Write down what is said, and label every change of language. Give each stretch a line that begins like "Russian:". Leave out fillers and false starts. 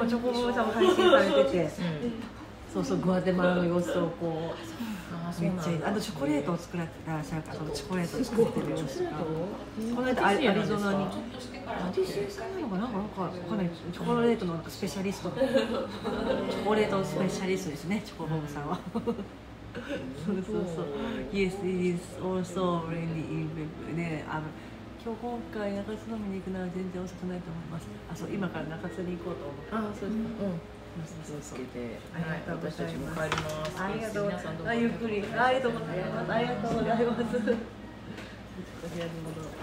Japanese: でもチョコボブさんも配信されてて、そうそう、グアテマラの様子をこう、めっちゃいい。あとチョコレートを作られてらっしゃるから、そのチョコレートを作ってる様子が。この間アリゾナに、パティシエさんなのかな、なんかわかんない、チョコレートのなんかスペシャリスト、チョコレートのスペシャリストですね、チョコボブさんは。そうそうそう。
English: Yes, it is also really in the book.
Japanese: ね、あの今日今回中津飲みに行くなら全然遅くないと思います。あ、そう、今から中津に行こうと思って。あ、そうですか。うん。気をつけて。はい、私たちも帰ります。ありがとうございます。ゆっくり。ありがとうございます。ありがとうございます。